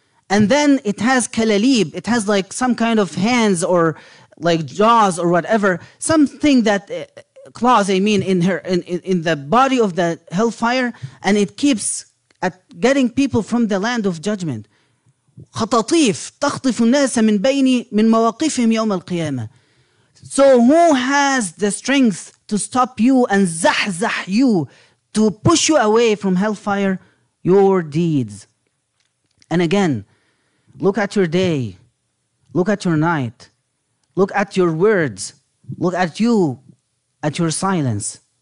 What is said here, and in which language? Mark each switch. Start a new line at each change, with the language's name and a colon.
English: And then it has kalalib, it has like some kind of hands or like jaws or whatever, something that claws, I mean, in the body of the hellfire, and it keeps at getting people from the land of judgment.
Arabic: خطاطيف تخطف الناس من بين من مواقفهم يوم القيامة.
English: So who has the strength to stop you and zahzah you, to push you away from hellfire? Your deeds. And again, look at your day, look at your night, look at your words, look at you, at your silence.